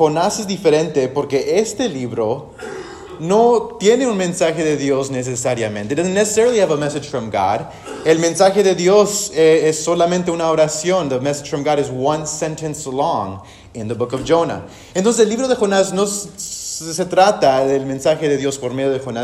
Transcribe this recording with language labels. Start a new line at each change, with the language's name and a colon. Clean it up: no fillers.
Spanish: Jonás es diferente porque este libro no tiene un mensaje de Dios necesariamente.
English: It doesn't necessarily have a message from God.
Spanish: El mensaje de Dios es solamente una oración.
English: The message from God is one sentence long in the book of Jonah.
Spanish: Entonces, el libro de Jonás no se trata del mensaje de Dios por medio de Jonah.